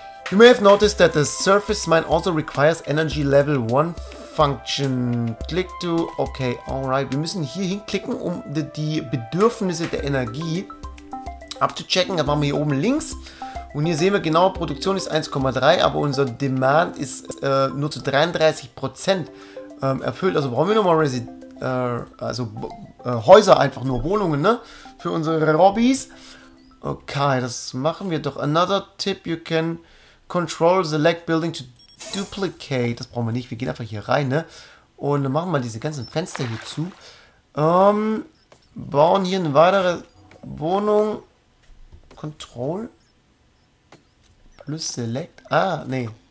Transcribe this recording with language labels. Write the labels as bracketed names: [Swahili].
[English] You may have noticed that the surface mine also requires energy level 1 function. Click to, okay, alright. [German] Wir müssen hier hinklicken, um die Bedürfnisse der Energie abzuchecken. Da machen wir hier oben links. Und hier sehen wir genau, Produktion ist 1,3, aber unser Demand ist nur zu 33% erfüllt. Also brauchen wir nochmal Häuser, einfach nur Wohnungen, ne? Für unsere Robbies. Okay, das machen wir doch. [English] Another tip, you can control select building to duplicate. [German] Das brauchen wir nicht, wir gehen einfach hier rein, ne? Und machen mal diese ganzen Fenster hier zu. Bauen hier eine weitere Wohnung. Control. Plus Select. Ah, nee.